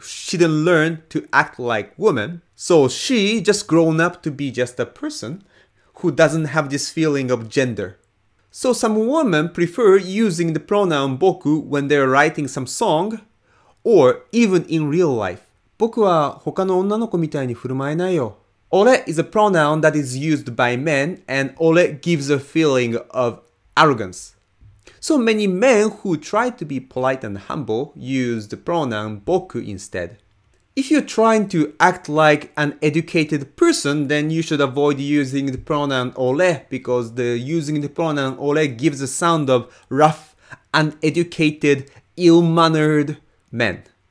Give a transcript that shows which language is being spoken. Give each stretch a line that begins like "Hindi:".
English: She didn't learn to act like woman. So she just grown up to be just a person who doesn't have this feeling of gender. So some women prefer using the pronoun boku when they're writing some song or even in real life.
Japanese: 僕は他の女の子みたいに振る舞えないよ。
English: Ore is a pronoun that is used by men, and ore gives a feeling of arrogance. So many men who try to be polite and humble use the pronoun boku instead. If you're trying to act like an educated person, then you should avoid using the pronoun ore, because the using the pronoun ore gives a sound of rough, uneducated, ill-mannered men.